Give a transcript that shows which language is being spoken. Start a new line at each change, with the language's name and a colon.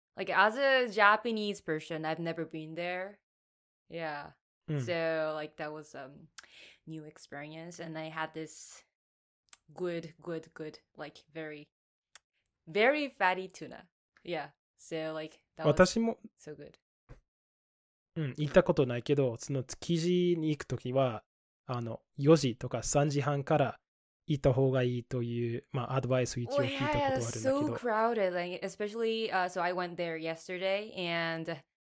English: Like, as a Japanese person, I've never been there. Yeah. Mm. So, like, that was a new experience. And I had this good, like, very, very fatty tuna. Yeah. So, like, that was so good.
Japanese: うん、行ったことないけど、その築地に行くときは、あの、4時とか3時半から行った方がいいという、まあ、アドバイスを一応聞いたことがあるんだけど。
English: Oh, yeah, so crowded. Like, especially, so I went there yesterday, and...